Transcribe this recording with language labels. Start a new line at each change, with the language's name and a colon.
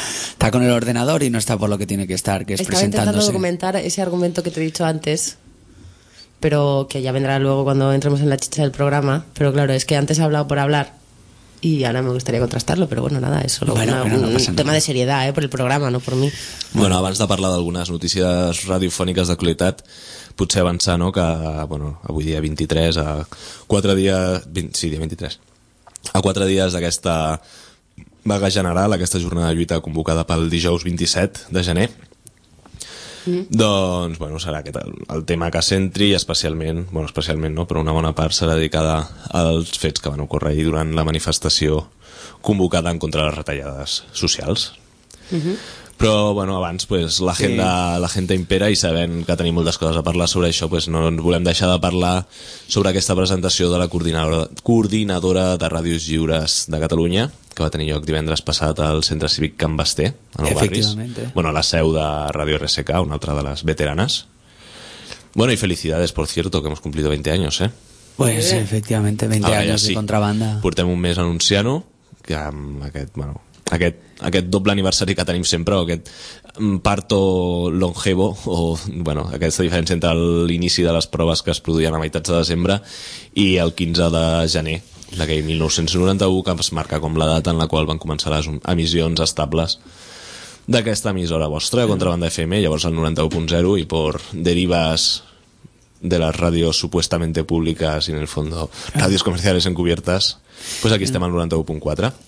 Spanish: Está con el ordenador y no está por lo que tiene que estar, que es presentándose. Estaba intentando documentar ese argumento que te he dicho antes, pero que ya vendrá luego cuando entremos en la chicha del programa. Pero claro, es que antes he hablado por hablar y ahora me gustaría contrastarlo, pero bueno, nada, es solo un tema de seriedad, por el programa, no por mí.
Catalan: Bueno, abans de parlar d'algunes notícies radiofòniques d'actualitat, potser avançar, no?, que bueno, avui dia 23, a 4 dies... Sí, dia 23. A 4 dies d'aquesta vaga general, aquesta jornada de lluita convocada pel dijous 27 de gener, doncs, bueno, serà aquest el tema que centri, especialment, bueno, especialment no, però una bona part serà dedicada als fets que van ocórrer ahir durant la manifestació convocada en contra de les retallades socials. Però, bueno, abans,
Spanish: pues, la gente impera
Catalan: i sabent que tenim moltes coses a parlar sobre això, pues, no ens volem deixar de parlar sobre aquesta presentació de la coordinadora de Ràdios Lliures de Catalunya, que va tenir lloc divendres passat al Centre Cívic Can Basté, en el barri. Bueno, la seu de Ràdio RSK, una altra de les veteranes.
Spanish: Bueno, y felicidades, por cierto, que hemos cumplido 20 años, ¿eh? Pues, efectivamente, 20
Catalan: ara,
Spanish: años
Catalan: sí. De contrabanda. Portem un mes anunciant-ho, que amb aquest, bueno... Aquest doble aniversari que tenim sempre, o aquest
Spanish: parto longevo,
Catalan: o bueno, aquesta diferència entre l'inici de les proves que es produïen a meitats de desembre i el 15 de gener d'aquell 1991, que es marca com la data en la qual van començar les emissions estables d'aquesta emissora vostra, Contrabanda FM, llavors el 91.0, i por derives de les ràdios
Spanish: supuestamente públiques i en el fondo ràdios comerciales encubiertas,
Catalan: pues aquí estem al 91.4.